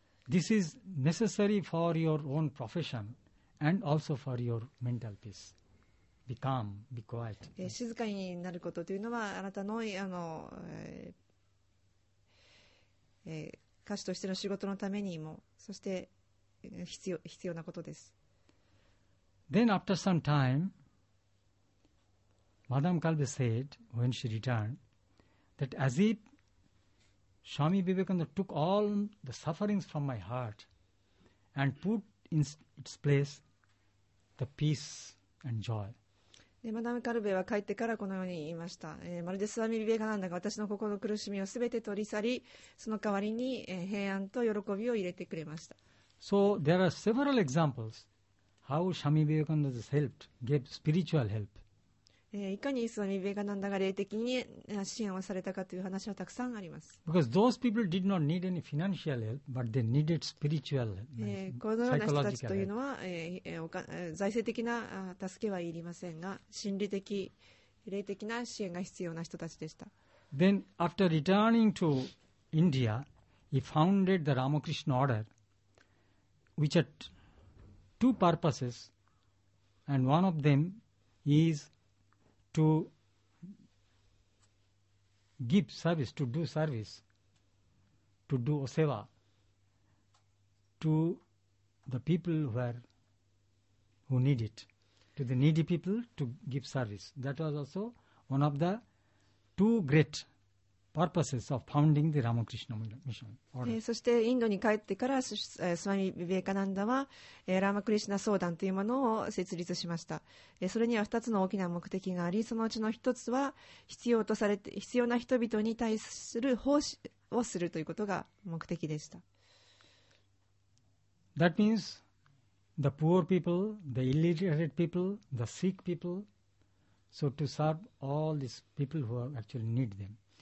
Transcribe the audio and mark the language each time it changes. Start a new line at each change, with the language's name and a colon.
English: This is necessary for your own profession and also for your mental peace. Be calm, be quiet.
Japanese: 静かになることというのはあなたの、歌手としての仕事のためにも、そして必要なことです。
English: Then after some time, Madame Kalbe said when she returned that as if Swami Vivekananda took all the sufferings from my heart and put in its place the peace and joy.
Japanese: Madame Kalbe は帰ってからこのように言いました。まるでスワミ・ビベカナンダが私の心の苦しみをすべて取り去り、その代わりに平安と喜びを入れてくれました。
English: So there are several examples how Swami Vivekananda has helped, gave spiritual help.
Japanese: いかにスワミ・ビベカナンダが霊的に支援をされたかという話はたくさんあります。
English: Because those people did not need any financial help, but they needed spiritual help.
Japanese: このような人たちというのは、財政的な助けはいりませんが、心理的、霊的な支援が必要な人たちでした。
English: Then after returning to India, he founded the Ramakrishna Order. Which had two purposes, and one of them is to give service, to do seva to the people who need it, to the needy people to give service. That was also one of the two great. Purposes of founding the Ramakrishna Mission.
Japanese: そしてインドに帰ってからスワミ・ビベカナンダはラマクリシナ相談というものを設立しました。それには2つの大きな目的があり、そのうちの1つは必要な人々に対する奉仕をするということが目的でした。
English: That means the poor people, the illiterate people, the sick people, so to serve all these people who actually need them